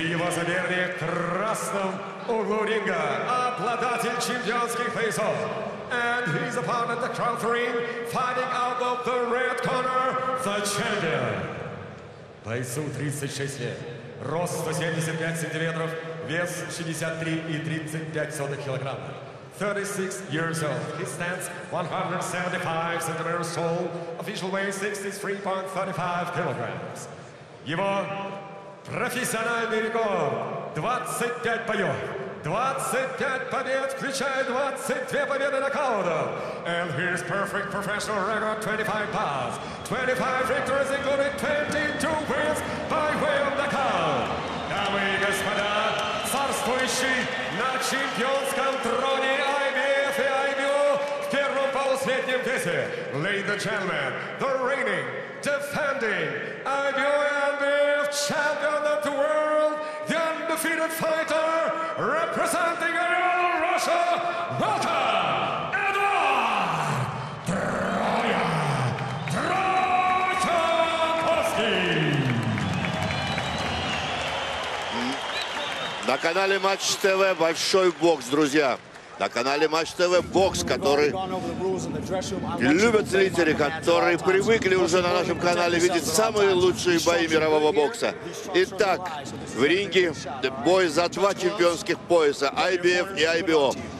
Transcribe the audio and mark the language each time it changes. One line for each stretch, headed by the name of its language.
Russian: Соперник в красном углу ринга, обладатель чемпионских поясов.
English: And his opponent, the crown ring, fighting out of the red corner, the champion.
Russian: Бойцу 36 лет, рост 175 сантиметров, вес 63,35 килограмма.
English: 36 years old, he stands 175 centimeters tall, official weight 63.35 kilograms.
Russian: Его профессиональный рекорд 25 боев, 25 побед, включая 22 победы нокаутом.
English: And his perfect professional record 25 pass, 25 victories, including 22 wins by way of knockout.
Russian: Дамы и господа, царствующий на чемпионском троне IBF и IBO в первом полусреднем весе,
English: ladies and gentlemen, the reigning, defending IBO IBF champion of the world, the undefeated fighter representing all Russia, welcome Eduard Troya Troyakovsky.
Russian: На канале Матч ТВ большой бокс, друзья. На канале Матч ТВ бокс, который любят зрители, которые привыкли уже на нашем канале видеть самые лучшие бои мирового бокса. Итак, в ринге бой за два чемпионских пояса, IBF и IBO.